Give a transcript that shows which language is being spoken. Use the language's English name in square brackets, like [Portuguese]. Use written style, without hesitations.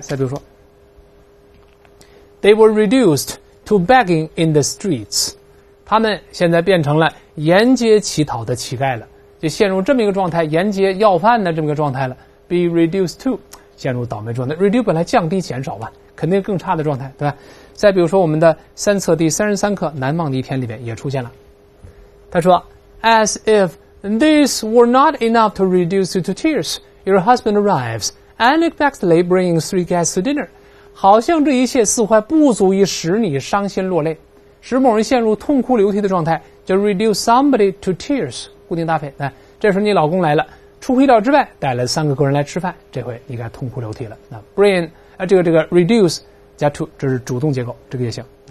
[Chinese] 再比如说 [English] ，They were reduced to begging in the streets。 [Chinese] 他们现在变成了沿街乞讨的乞丐了，就陷入这么一个状态，沿街要饭的这么一个状态了。 [English] Be reduced to， [Chinese] 陷入倒霉状态。Reduce 本来降低减少吧，肯定更差的状态，对吧？再比如说我们的三册第33课《难忘的一天》里面也出现了。他说 [English] ：“As if this were not enough to reduce you to tears, your husband arrives unexpectedly, bringing three guests to dinner。 [Chinese] 好像这一切似乎不足以使你伤心落泪。” 使某人陷入痛哭流涕的状态，就 [English] reduce somebody to tears， [Chinese] 固定搭配。那这时候你老公来了，出乎意料之外带了三个客人来吃饭，这回你该痛哭流涕了。那 bring 这个 reduce 加 to， 这是主动结构，这个也行。